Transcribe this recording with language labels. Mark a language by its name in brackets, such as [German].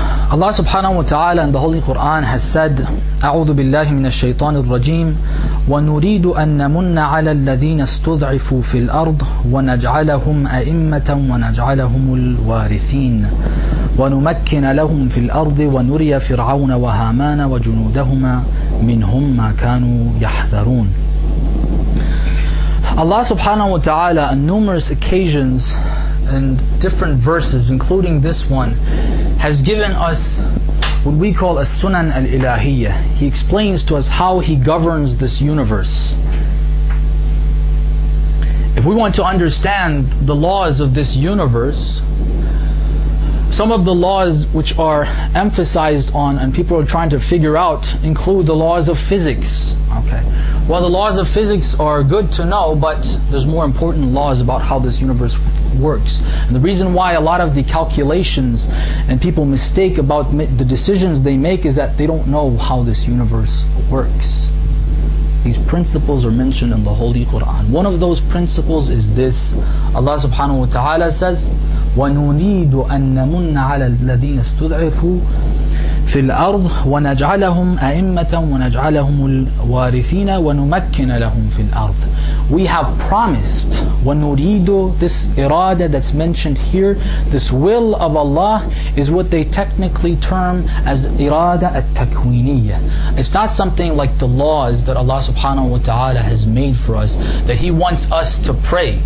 [English] Allah subhanahu wa ta'ala in the Holy Quran has said, [Arabic] أعوذ بالله من الشيطان الرجيم ونريد أن نمن على الذين استضعفوا في الأرض ونجعلهم أئمة ونجعلهم الوارثين ونمكن لهم في الأرض ونري فرعون وهامان وجنودهما منهم ما كانوا يحذرون. [English] Allah subhanahu wa ta'ala on numerous occasions and different verses including this one has given us what we call a sunan al-ilahiyya. He explains to us how he governs this universe. If we want to understand the laws of this universe, some of the laws which are emphasized on and people are trying to figure out include the laws of physics. Okay. Well, the laws of physics are good to know, but there's more important laws about how this universe works. And the reason why a lot of the calculations and people mistake about the decisions they make is that they don't know how this universe works. These principles are mentioned in the Holy Quran. One of those principles is this. Allah subhanahu wa ta'ala says, [Arabic] وَنُنِيدُ أَنَّمُنَّ عَلَى الَّذِينَ اسْتُضْعِفُوا فِي الْأَرْضِ وَنَجْعَلَهُمْ أَئِمَّةً وَنَجْعَلَهُمُ الْوَارِثِينَ وَنُمَكِّنَ لَهُمْ فِي الْأَرْضِ. [English] We have promised, وَنُرِيدُ, this irada that's mentioned here, this will of Allah is what they technically term as irada al-takwiniyya. It's not something like the laws that Allah subhanahu wa ta'ala has made for us, that He wants us to pray.